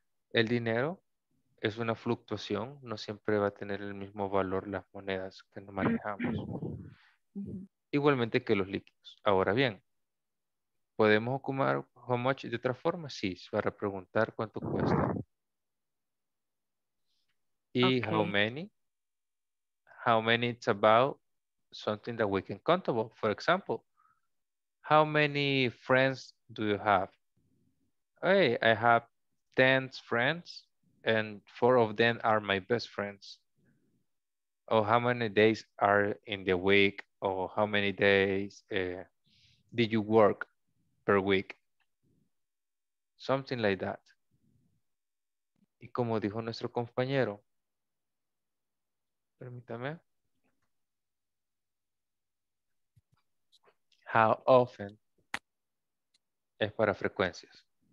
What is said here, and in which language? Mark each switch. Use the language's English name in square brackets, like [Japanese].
[Spanish] El dinero es una fluctuación. No siempre va a tener el mismo valor las monedas que nos manejamos. Igualmente que los líquidos. Ahora bien. ¿Podemos ocupar how much de otra forma? Sí, para preguntar cuánto cuesta. [English] Y okay. How many? How many it's about something that we can count about. For example, how many friends do you have? Hey, I have 10 friends and 4 of them are my best friends. Or how many days are in the week? Or how many days did you work? Per week. Something like that. [Spanish] Y como dijo nuestro compañero. Permítame. [English] How often. [Spanish] Es para frecuencias.